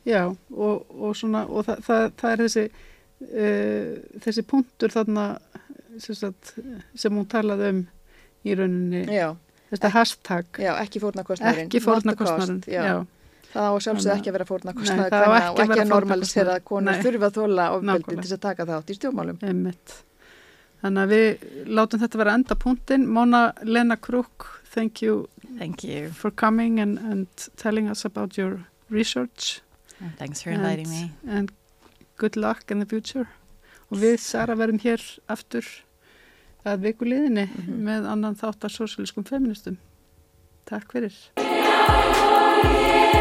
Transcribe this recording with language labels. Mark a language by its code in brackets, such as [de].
[is] Já, og svona, og það er þessi þessi punktur þarna sem hún talaði í rauninni. Já. Þetta hashtag. Já, ekki fórnarkostnaðurinn. Ekki fórnarkostnaðurinn, já. Það á sjálfsögðu ekki að vera fórnarkostnaður kvenna og ekki að normalisera að konur þurfa að þola ofbeldi til að taka þátt í stjórnmálum. Einmitt. Þannig að við látum þetta vera enda punktin. [en] Mona Lena Krook, thank you for coming and telling us about your research. And thanks for inviting me. And good luck in the future. [is] Og við Sara verðum hér aftur að viku liðinni með annan þáttar sósíalískum feministum. Takk fyrir.